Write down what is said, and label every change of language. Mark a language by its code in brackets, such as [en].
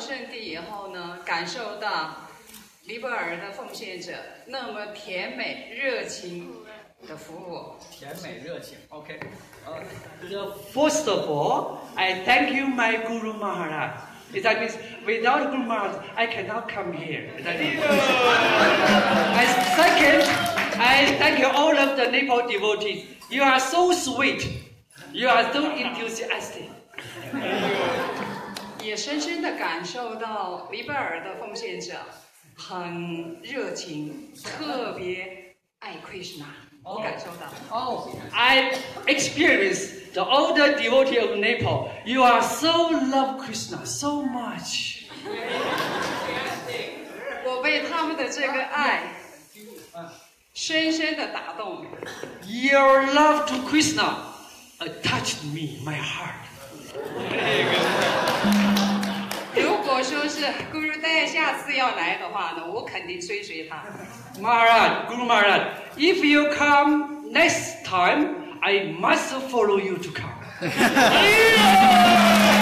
[zh] 他带我们到了这个圣地，很感恩。然后来到圣地以后呢，感受到。尼泊尔的奉献者那么甜美热情的服务，甜美热情。 [en] OK， First of all, I thank you, my Guru Maharaj. That means without Guru Maharaj, I cannot come here. Second, I thank you all of the Nepal devotees. You are so sweet. You are so enthusiastic. [zh] 也深深地感受到尼泊尔的奉献者。很热情，特别爱 Krishna， 我感受到。 [en] I experience the older devotee of Nepal. You are so love Krishna so much. [zh] 我被他们的这个爱深深的打动。 [en] Your love to Krishna touched me, my heart. [zh] 如果说是 Guru Dev 下次要来的话呢，我肯定追随他。 [en] Maharaj, Guru Maharaj, if you come next time, I must follow you to come.